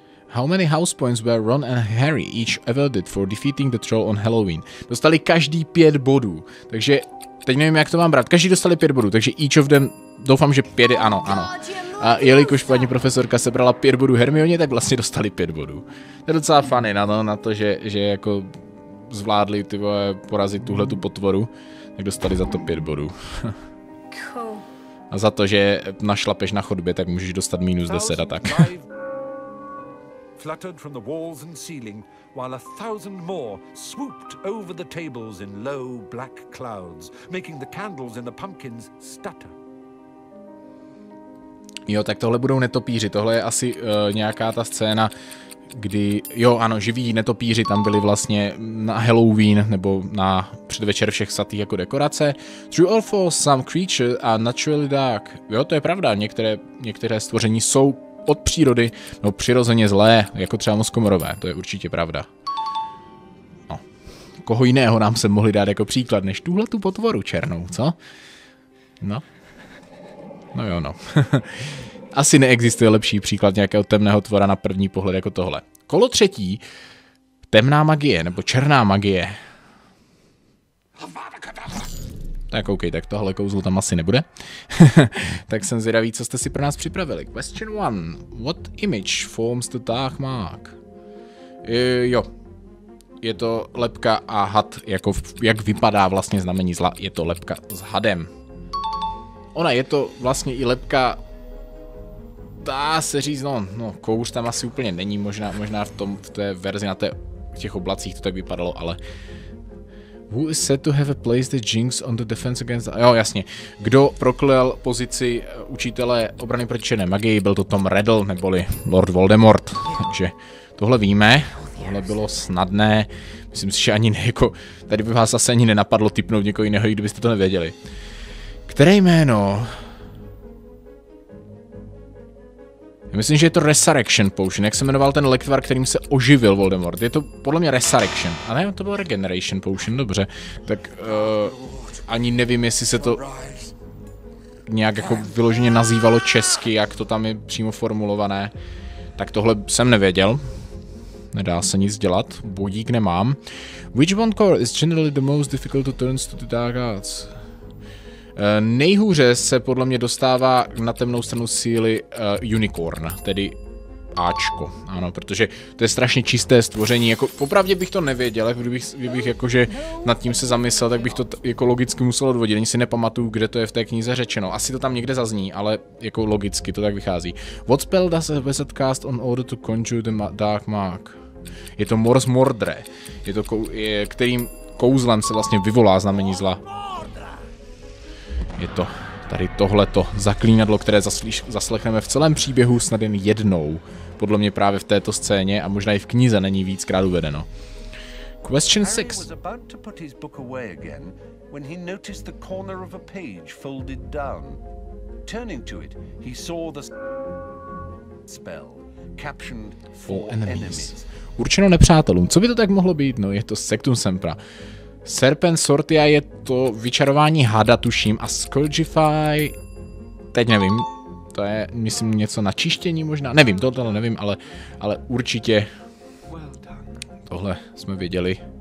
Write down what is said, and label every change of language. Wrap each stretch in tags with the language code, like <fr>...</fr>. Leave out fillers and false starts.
<en>How many house points were Ron and Harry each awarded for defeating the troll on Halloween?</en> <cs>Dostali každý 5 bodů, takže teď nevím, jak to mám brát. Každý dostali 5 bodů, takže</cs> <en>each of them,</en> <cs>doufám, že 5, ano, ano. A jelikož paní profesorka sebrala 5 bodů Hermioně, tak vlastně dostali 5 bodů. To je docela funny na to, na to, že jako zvládli ty vole porazit tuhletu potvoru, tak dostali za to 5 bodů. A za to, že našlapeš na chodbě, tak můžeš dostat minus 10 a tak.</cs> <en>Fluttered from the walls and ceiling, while a thousand more swooped over the tables in low black clouds, making the candles in the pumpkins stutter.</en> <cs>Jo, tak tohle budou netopíři, tohle je asi nějaká ta scéna, kdy, jo ano, živí netopíři tam byli vlastně na Halloween nebo na předvečer všech svatých jako dekorace.</cs> <en>True or false, some creatures are naturally dark.</en> <cs>Jo, to je pravda, některé stvoření jsou od přírody, no přirozeně zlé, jako třeba muskomorové, to je určitě pravda. No, koho jiného nám se mohli dát jako příklad než tuhle tu potvoru černou, co? No. No jo, no. Asi neexistuje lepší příklad nějakého temného tvora na první pohled jako tohle. Kolo třetí. Temná magie, nebo černá magie. Tak okej, tak tohle kouzlo tam asi nebude. Tak jsem zvědavý, co jste si pro nás připravili.</cs> <en>Question one. What image forms the dark mark?</en> <cs>Jo. Je to lebka a had, jako jak vypadá vlastně znamení zla. Je to lebka s hadem. Ona je to vlastně i lebka, dá se říct, no kouř tam asi úplně není, možná v té verzi na těch oblacích to tak vypadalo, ale...</cs> <en>Who is said to have a place the jinx on the defense against...</en> <cs>Jo, jasně, kdo proklel pozici učitele obrany proti černé magii, byl to Tom Riddle, neboli Lord Voldemort, takže tohle víme, tohle bylo snadné, myslím si, že ani ne, jako, tady by vás asi ani nenapadlo tipnout někoho jiného, i kdybyste to nevěděli. Které jméno? Já myslím, že je to Resurrection Potion, jak se jmenoval ten lektvar, kterým se oživil Voldemort. Je to podle mě Resurrection. A ne, to bylo Regeneration Potion, dobře. Tak ani nevím, jestli se to nějak jako vyloženě nazývalo česky, jak to tam je přímo formulované. Tak tohle jsem nevěděl. Nedá se nic dělat, budík nemám.</cs> <en>Which one core is generally the most difficult to turn to the dark arts?</en> <cs>Nejhůře se podle mě dostává na temnou stranu síly Unicorn, tedy Ačko, ano, protože to je strašně čisté stvoření, jako popravdě bych to nevěděl, kdybych jakože nad tím se zamyslel, tak bych to jako logicky musel odvodit, ani si nepamatuju, kde to je v té knize řečeno, asi to tam někde zazní, ale jako logicky to tak vychází.</cs> <en>What spell does a wizard cast on order to conjure the dark mark?</en> <cs>Je to Mors Mordre, kterým kouzlem se vlastně vyvolá znamení zla. Je to tady tohleto zaklínadlo, které zaslechneme v celém příběhu snad jen jednou. Podle mě právě v této scéně a možná i v knize není víckrát uvedeno.</cs> <en>Question 6. Harry was about to put his book away again when he noticed the corner of a page folded down. Turning to it, he saw the spell captioned for enemies.</en> <cs>Určeno nepřátelům. Co by to tak mohlo být? No, je to Sectum Sempra. Serpent Sortia je to vyčarování hada, tuším, a Scourgify, teď nevím, to je, myslím, něco na čištění možná, nevím, tohle nevím, ale určitě tohle jsme viděli.</cs>